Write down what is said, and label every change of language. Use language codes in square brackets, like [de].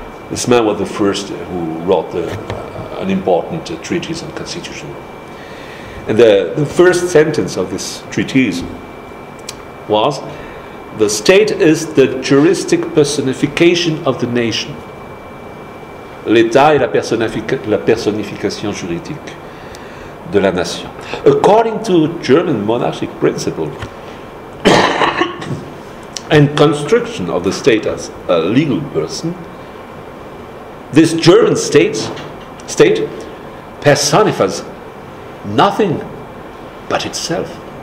[en] Esmain was the first who wrote an important treatise on constitutional law. And the first sentence of this treatise was, "The state is the juristic personification of the nation." [fr] L'État est la personnification juridique de la nation. [en] According to German monarchic principle and construction of the state as a legal person, this German state personifies nothing but itself.